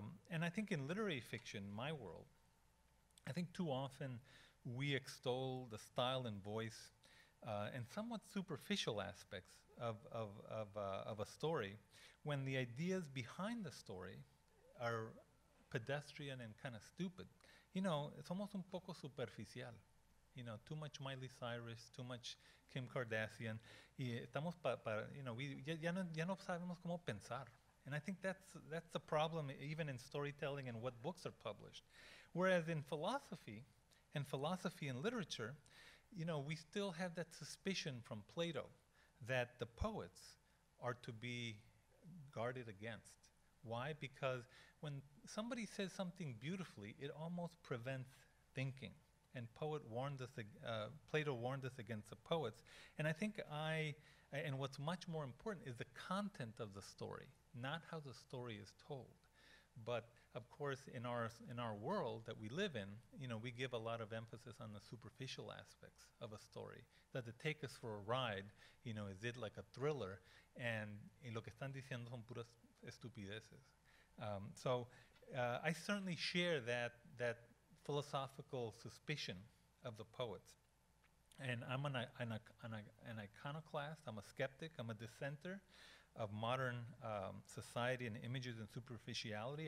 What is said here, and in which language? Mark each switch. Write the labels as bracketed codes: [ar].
[en] And I think in literary fiction, my world, I think too often we extol the style and voice and somewhat superficial aspects of a story, when the ideas behind the story are pedestrian and kind of stupid. You know, it's almost [es] un poco [en] superficial. You know, too much Miley Cyrus, too much Kim Kardashian. [es] Y estamos ya no sabemos cómo pensar. [en] And I think that's the problem even in storytelling and what books are published. Whereas in philosophy and literature, you know, we still have that suspicion from Plato that the poets are to be guarded against. Why? Because when somebody says something beautifully, it almost prevents thinking. And Plato warned us against the poets. And I think and what's much more important is the content of the story, not how the story is told. But of course, in our world that we live in, you know, we give a lot of emphasis on the superficial aspects of a story. Does it take us for a ride? You know, is it like a thriller? [es] And lo que están diciendo son puras estupideces. [en] So I certainly share that philosophical suspicion of the poets. And I'm an iconoclast. I'm a skeptic. I'm a dissenter of modern society and images and superficiality.